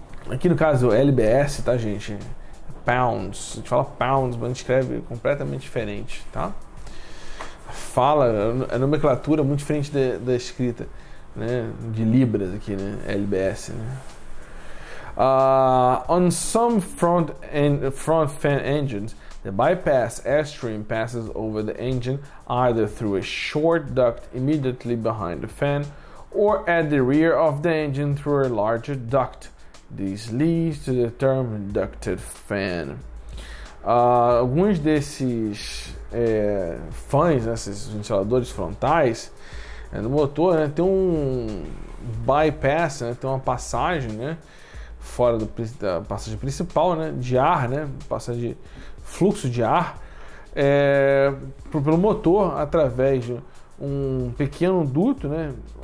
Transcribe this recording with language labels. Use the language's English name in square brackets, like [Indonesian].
[Portuguese] Aqui no caso LBS, tá, gente? Pounds. A gente fala pounds, mas a gente escreve completamente diferente, tá? Fala, a nomenclatura é muito diferente da escrita, né? De libras aqui, né? LBS, né? [English] On some front fan engines, the bypass airstream passes over the engine either through a short duct immediately behind the fan or at the rear of the engine through a larger duct. This leads to the term ducted fan. [Portuguese] Alguns desses fãs, né, esses ventiladores frontais do motor, né, tem um bypass, né, tem uma passagem, né, fora da passagem principal, né, de ar, né, passagem de fluxo de ar, pelo motor através de um pequeno duto, né,